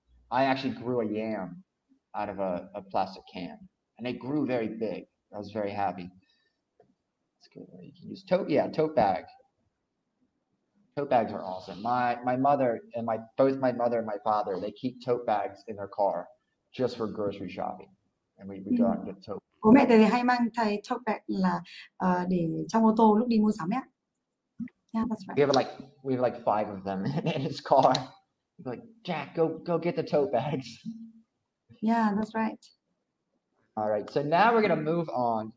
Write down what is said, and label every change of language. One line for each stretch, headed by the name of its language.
English: I actually grew a yam out of a plastic can, and it grew very big. I was very happy. You can use tote bags are awesome. My mother and my mother and my father, they keep tote bags in their car just for grocery shopping, and we go out and get tote.
Vietnamese: Bố mẹ thì hay mang thay tote bag là để trong ô tô lúc đi mua sắm nhé.
English: Yeah, that's right. We have like five of them in his car. He's like, Jack, go get the tote bags. Yeah, that's right. All right, so now we're going to move on.